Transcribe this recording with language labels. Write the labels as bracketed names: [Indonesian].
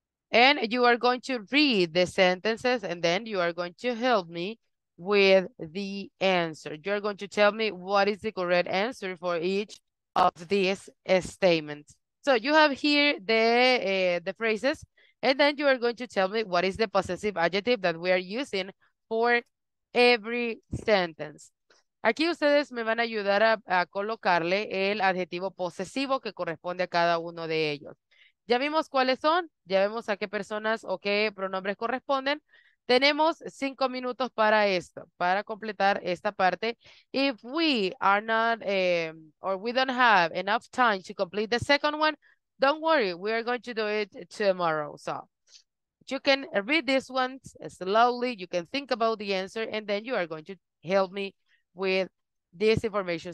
[English] And you are going to read the sentences, and then you are going to help me with the answer. You are going to tell me what is the correct answer for each of these statements. So you have here the phrases, and then you are going to tell me what is the possessive adjective that we are using for every sentence. [Spanish] Aquí ustedes me van a ayudar a colocarle el adjetivo posesivo que corresponde a cada uno de ellos. Ya vimos cuáles son, ya vemos a qué personas o qué pronombres corresponden. Tenemos 5 minutos para esto, para completar esta parte. [English] If we are not, or we don't have enough time to complete the second one, don't worry, we are going to do it tomorrow. So you can read this one slowly, you can think about the answer, and then you are going to help me with this information.